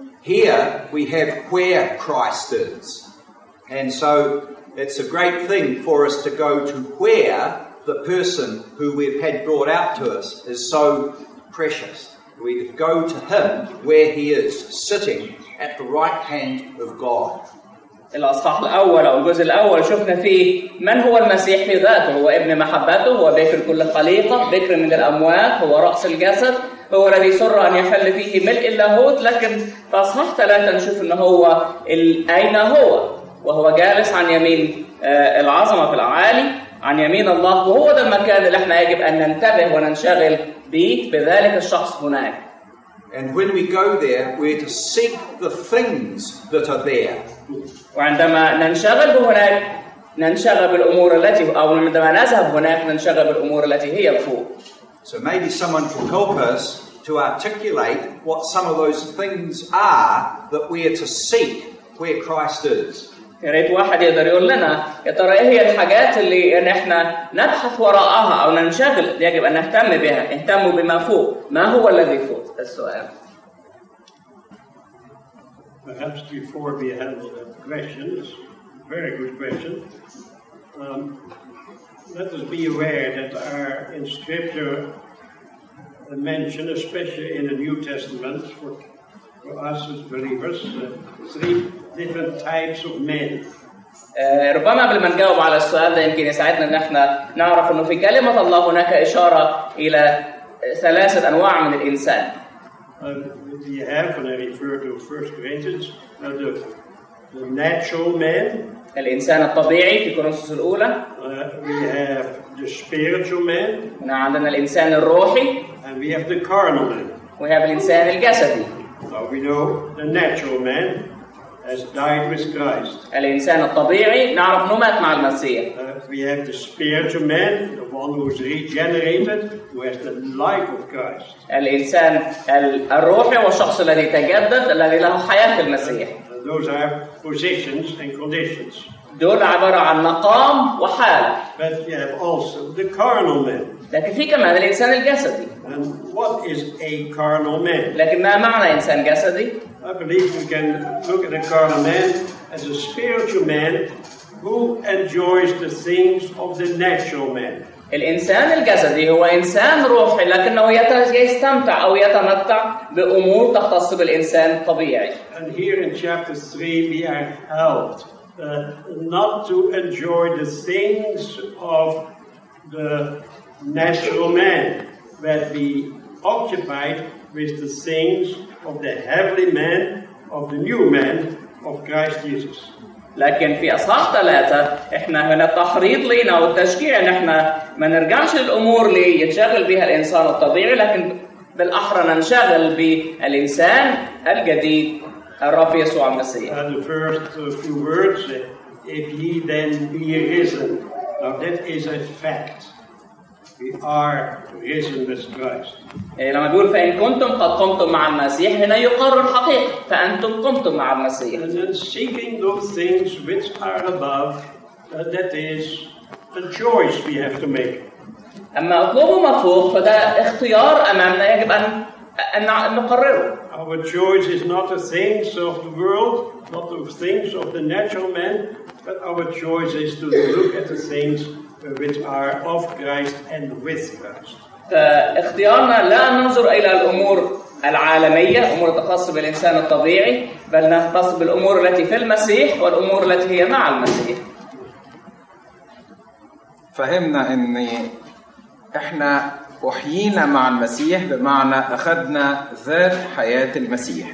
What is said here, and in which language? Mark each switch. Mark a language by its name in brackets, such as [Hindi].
[English] Here we have where Christ is. And so it's a great thing for us to go to where the person who we've had brought out to us is so precious. We go to him where he is, sitting at the right hand of God. [Arabic] الأصحاح الأول أو الجزء الأول شفنا فيه من هو المسيح في ذاته هو ابن محبته هو بكر كل خليقة بكر من الأموات هو رأس الجسد هو الذي سر أن يحل فيه ملء اللاهوت لكن في أصحاح ثلاثة نشوف أنه هو أين هو وهو جالس عن يمين العظمة في العالي عن يمين الله وهو ده المكان اللي احنا يجب أن ننتبه وننشغل به بذلك الشخص هناك [English] And when we go there, we're to seek the things that are there. [Arabic] وعندما ننشغل هناك ننشغل بالأمور التي أو عندما نذهب هناك ننشغل بالأمور التي هي فوق. [English] So maybe someone can help us to articulate what some of those things are that we are to seek where Christ is. [Arabic] ريت واحد يقدر يقول لنا يا ترى إيه هي الحاجات اللي إن إحنا نبحث وراءها أو ننشغل يجب أن نهتم بها اهتموا بما فوق ما هو الذي فوق السؤال. [English] Perhaps before we handle that question, it's a very good question. Let us be aware that there are in Scripture a mention, especially in the New Testament, for us as believers, three different types of men. [Arabic] ربما قبل ما نجاوب على السؤال ده يمكن يساعدنا ان احنا نعرف انه في كلمة الله هناك إشارة إلى ثلاثة أنواع من الإنسان. [English] You have, when I refer to 1 Corinthians, the natural man. [Arabic] الإنسان الطبيعي في كورنثوس الأولى. [English] We have the spiritual man. [Arabic] عندنا الإنسان الروحي. [English] And we have the carnal man. We have [Arabic] الإنسان الجسدي. [English] So we know the natural man has died with Christ. [Arabic] الإنسان الطبيعي نعرف أنه مات مع المسيح. [English] We have the spiritual man, the one who is regenerated, who has the life of Christ. [Arabic] الإنسان الروحي والشخص الذي تجدد الذي له حياة المسيح. [English] Those are positions and conditions. [Arabic] دول عبارة عن مقام وحال. [English] But you have also the carnal man. [Arabic] لكن في كمان الإنسان الجسدي. [English] And what is a carnal man? [Arabic] لكن ما معنى إنسان جسدي؟ [English] I believe we can look at a carnal man as a spiritual man. Who enjoys the things of the natural man? [Arabic] الإنسان الجسدي هو إنسان روحي لكنه يستمتع أو يتمتع بأمور تختص بالإنسان الطبيعي. [English] And here in chapter 3 we are helped not to enjoy the things of the natural man, but be occupied with the things of the heavenly man, of the new man, of Christ Jesus. [Arabic] لكن في أصحاح 3 إحنا هنا تحريض لنا والتشجيع إن إحنا ما نرجعش للأمور اللي يتشغل بها الإنسان الطبيعي لكن بالأحرى ننشغل بالإنسان الجديد الرب يسوع المسيح. [English] And the first few words, if ye then be risen, now that is a fact. We are risen with Christ. [Arabic] لما يقول فإن كنتم قد قمتم مع المسيح هنا يقرر حقيقة فأنتم قمتم مع المسيح. [English] And then seeking those things which are above, that is a choice we have to make. [Arabic] أما أطلبوا ما فوق فده اختيار أمامنا يجب أن نقرره. [English] Our choice is not the things of the world, not the things of the natural man, but our choice is to look at the things which are of Christ and with Christ. [Arabic] اختيارنا لا ننظر إلى الأمور العالمية أمور تخص بالإنسان الطبيعي بل نختص بالأمور التي في المسيح والأمور التي هي مع المسيح. فهمنا أن إحنا أحيينا مع المسيح بمعنى أخذنا ذات حياة المسيح.